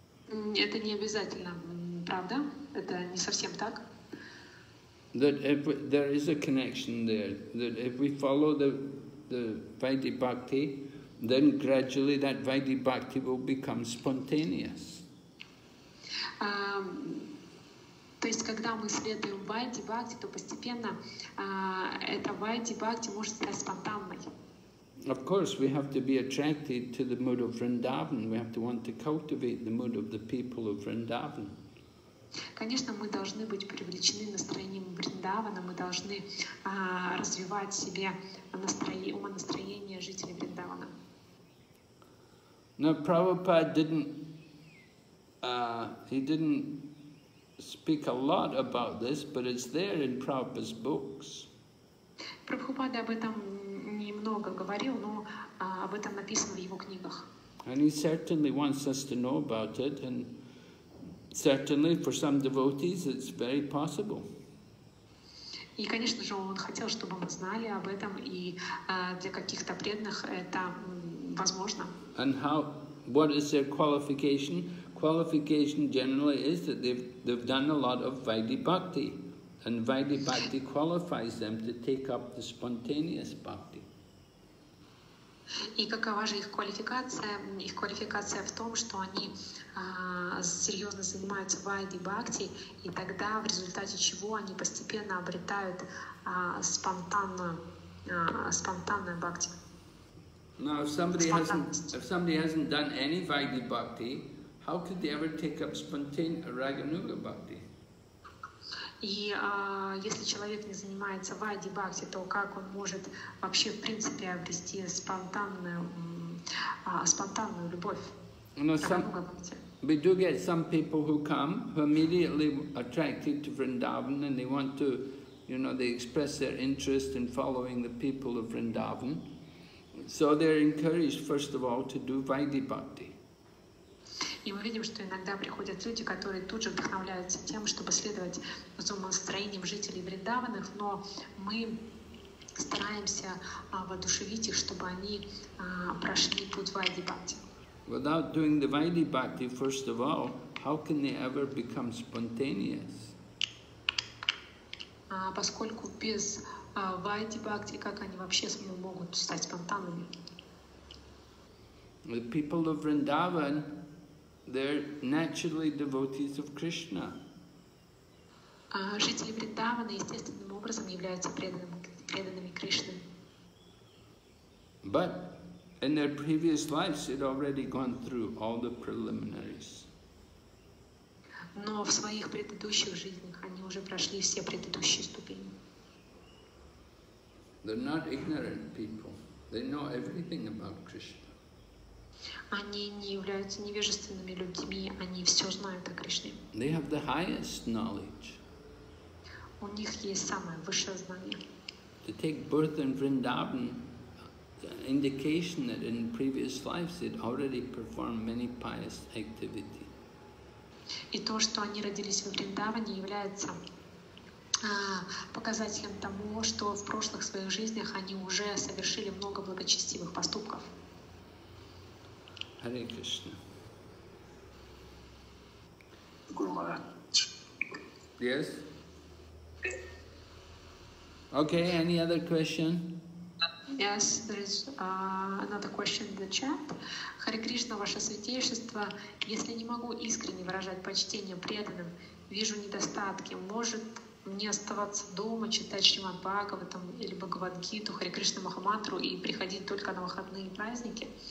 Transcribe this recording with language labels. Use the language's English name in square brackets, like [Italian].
[Russian] Это не обязательно, правда? Это не совсем так. [English] That if there is a connection there, that if we follow the Vaidhi Bhakti, then gradually that Vaidhi Bhakti will become spontaneous. [Russian] То есть, когда мы следуем Vaidhi Bhakti, то постепенно эта Vaidhi Bhakti может стать спонтанной. [English] Of course, we have to be attracted to the mood of Vrindavan. We have to want to cultivate the mood of the people of Vrindavan. [Russian] Конечно, мы должны быть привлечены настроением Вриндавана, мы должны развивать в себе умонастроение жителей Вриндавана. Но [English] Прабхупада didn't speak a lot about this, but it's there in Prabhupada's books. [Russian] Прабхупада об этом немного говорил, но об этом написано в его книгах. [English] And he certainly wants us to know about it, and certainly, for some devotees, it's very possible. [Russian] И, конечно же, он хотел, чтобы мы знали об этом, и для каких-то преданных это возможно. [English] And how? What is their qualification? Qualification generally is that they've done a lot of Vaidhi Bhakti, and Vaidhi Bhakti qualifies them to take up the spontaneous bhakti. [Russian] И какова же их квалификация? Их квалификация в том, что они серьезно занимаются Вайди Бхакти, и тогда в результате чего они постепенно обретают спонтанную бхакти. [English] Now, if somebody hasn't done any Vaidhi Bhakti, how could they ever take up spontaneous Raganuga Bhakti? [Russian] И если человек не занимается вайди бхакти, то как он может вообще в принципе обрести спонтанную любовь? [English] No, we do get some people who come who immediately attracted to Vrindavan and they want to, you know, they express their interest in following the people of Vrindavan. So they're encouraged first of all to do vaidhi bhakti. [Russian] И мы видим, что иногда приходят люди, которые тут же вдохновляются тем, чтобы следовать за умонастроением жителей Вриндаванов, но мы стараемся воодушевить их, чтобы они прошли путь вайди бхакти. [English] Without doing the vaidhi bhakti, first of all, how can they ever become spontaneous? [Russian] Поскольку без вайди бхакти, как они вообще могут стать спонтанными? [English] The people of Vrindavan, they're naturally devotees of Krishna. [Russian] Жители Вриндавана естественным образом являются преданными Кришны. [English] But in their previous lives, they'd already gone through all the preliminaries. [Russian] Но в своих предыдущих жизнях они уже прошли все предыдущие ступени. [English] They're not ignorant people. They know everything about Krishna. [Russian] Они не являются невежественными людьми, они все знают о Кришне. [English] They have the highest knowledge. [Russian] У них есть самое высшее знание. [English] To take birth in Vrindavan, indication that in previous lives they'd already performed many pious activity. [Russian] И то, что они родились в Вриндаване, является показателем того, что в прошлых своих жизнях они уже совершили много благочестивых поступков. [English] Hare Krishna. Guru Maharaj. Yes? Okay, any other question? Yes, there is another question in the chat. [Russian] Hare Krishna, Ваше Святейшество, если не могу искренне выражать почтение преданным, вижу недостатки, может мне оставаться дома, читать Шримад Бхагаватам или Бхагавад Гиту, Хари Кришна Махамантру и приходить только на выходные праздники?